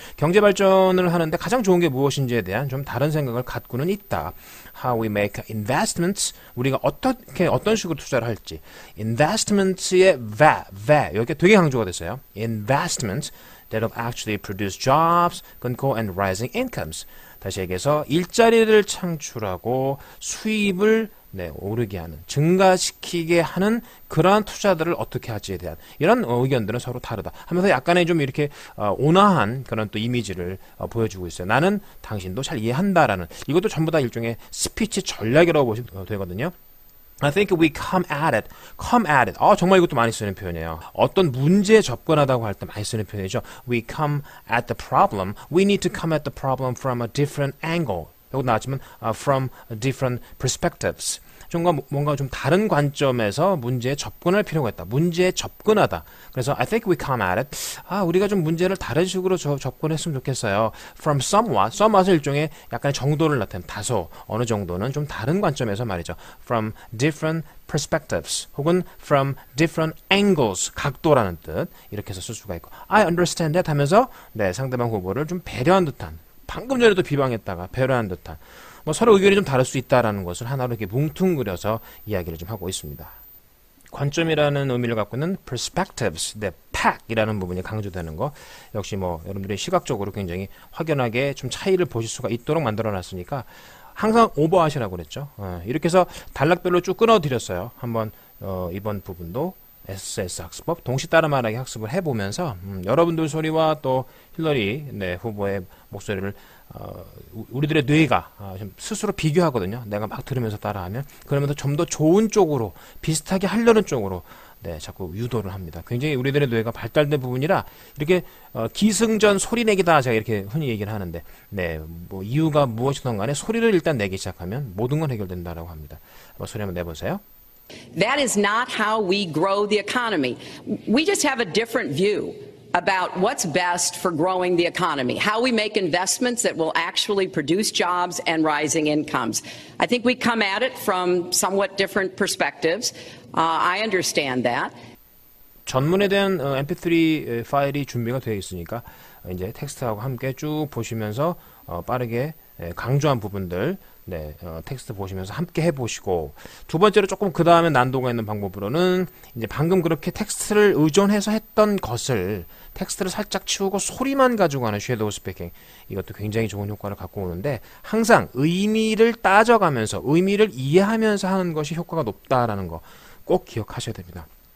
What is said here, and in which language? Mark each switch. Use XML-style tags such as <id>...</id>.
<ko>경제 발전을 하는데 가장 좋은 게 무엇인지에 대한 좀 다른 생각을 갖고는 있다.</ko> <en>How we make investments.</en> <ko>우리가 어떻게, 어떤 식으로 투자를 할지. Investments의 va, 여기 되게 강조가 됐어요.</ko> <en>Investments that will actually produce jobs, control and rising incomes.</en> <ko>다시 얘기해서 일자리를 창출하고 수입을 오르게 하는, 증가시키게 하는 그러한 투자들을 어떻게 할지에 대한 이런 의견들은 서로 다르다 하면서 약간의 좀 이렇게 온화한 그런 또 이미지를 보여주고 있어요. 나는 당신도 잘 이해한다라는, 이것도 전부 다 일종의 스피치 전략이라고 보시면 되거든요.</ko> <en>I think we come at it. Come at it.</en> <ko>정말 이것도 많이 쓰는 표현이에요. 어떤 문제에 접근하다고 할때 많이 쓰는 표현이죠.</ko> <en>We come at the problem. We need to come at the problem from a different angle.</en> <ko>이것도 나왔지만,</ko> <en>from different perspectives.</en> <ko>뭔가 좀 다른 관점에서 문제에 접근할 필요가 있다. 문제에 접근하다. 그래서</ko> <en>I think we come at it.</en> <ko>우리가 좀 문제를 다른 식으로 접근했으면 좋겠어요.</ko> <en>From somewhat.</en> <ko>somewhat은 일종의 약간의 정도를 나타낸, 다소 어느 정도는 좀 다른 관점에서 말이죠.</ko> <en>From different perspectives 혹은 from different angles,</en> <ko>각도라는 뜻. 이렇게 해서 쓸 수가 있고,</ko> <en>I understand that</en> <ko>하면서 상대방 후보를 좀 배려한 듯한, 방금 전에도 비방했다가 배려한 듯한, 뭐 서로 의견이 좀 다를 수 있다라는 것을 하나로 이렇게 뭉뚱그려서 이야기를 좀 하고 있습니다. 관점이라는 의미를 갖고 있는 perspectives, 팩이라는 부분이 강조되는 거. 역시 뭐 여러분들이 시각적으로 굉장히 확연하게 좀 차이를 보실 수가 있도록 만들어 놨으니까 항상 오버하시라고 그랬죠. 이렇게 해서 단락별로 쭉 끊어드렸어요. 한번 이번 부분도 SS 학습법 동시 따라 말하기 학습을 해보면서 여러분들 소리와 또 힐러리 후보의 목소리를 우리들의 뇌가 스스로 비교하거든요. 내가 막 들으면서 따라하면 그러면서 좀더 좋은 쪽으로, 비슷하게 하려는 쪽으로 자꾸 유도를 합니다. 굉장히 우리들의 뇌가 발달된 부분이라 이렇게 기승전 소리내기다 제가 이렇게 흔히 얘기를 하는데, 뭐 이유가 무엇이든 간에 소리를 일단 내기 시작하면 모든 건 해결된다라고 합니다. 한번 소리 한번 내보세요.</ko> <en>That is not how we grow the economy. We just have a different view about what's best for growing the economy, how we make investments that will actually produce jobs and rising incomes. I think we come at it from somewhat different perspectives. I understand that.</en> <ko>전문에 대한 MP3 파일이 준비가 되어 있으니까 이제 텍스트하고 함께 쭉 보시면서 빠르게 강조한 부분들, 텍스트 보시면서 함께 해보시고, 두 번째로 조금 그 다음에 난도가 있는 방법으로는 이제 방금 그렇게 텍스트를 의존해서 했던 것을 텍스트를 살짝 치우고 소리만 가지고 하는 섀도우 스피킹, 이것도 굉장히 좋은 효과를 갖고 오는데, 항상 의미를 따져가면서 의미를 이해하면서 하는 것이 효과가 높다라는 거꼭 기억하셔야 됩니다.</ko>